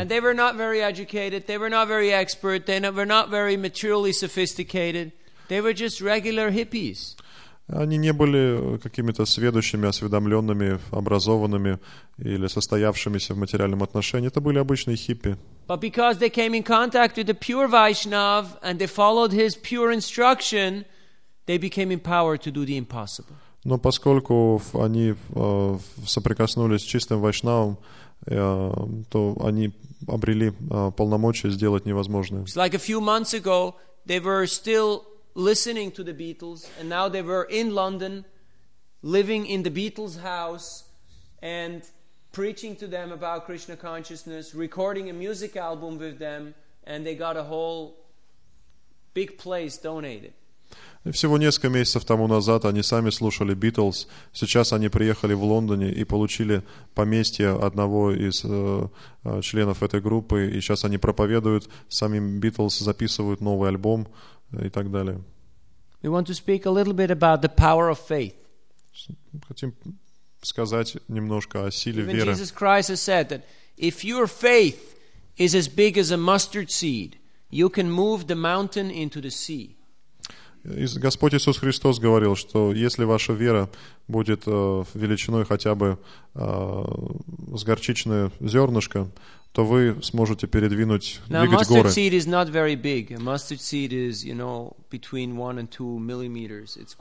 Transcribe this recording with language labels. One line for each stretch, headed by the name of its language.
English: And they were not very educated, they were not very expert, they were not very materially sophisticated. They were just regular hippies.
Russian: Они не были какими-то сведущими, осведомленными, образованными или состоявшимися в материальном отношении. Это были обычные хиппи.
English: But because they came in contact with the pure Vaishnav and they followed his pure instruction, they became empowered to do the impossible.
Russian: Но поскольку они соприкоснулись с чистым Вайшнавом, то они обрели полномочия сделать невозможное.
English: It's like a few months ago, they were still listening to the Beatles, and now they were in London, living in the Beatles' house, and preaching to them about Krishna consciousness, recording a music album with them, and they got a whole big place donated.
Russian: Всего несколько месяцев тому назад они сами слушали Beatles. Сейчас они приехали в Лондоне и получили поместье одного из членов этой группы, и сейчас они проповедуют самим Beatles, записывают новый альбом. И так далее.
English: We want to speak a little bit about the power of faith.
Russian: Хотим сказать немножко о силе
English: Even
Russian: веры.
English: Jesus Christ has said that if your faith is as big as a mustard seed, you can move the mountain into the sea.
Russian: Господь Иисус Христос говорил, что если ваша вера будет величиной хотя бы с горчичное зернышко, то вы сможете передвинуть,
English: Now,
Russian: двигать горы.
English: Mustard seed is not very big. A mustard seed is, you know, between 1 and 2 millimeters.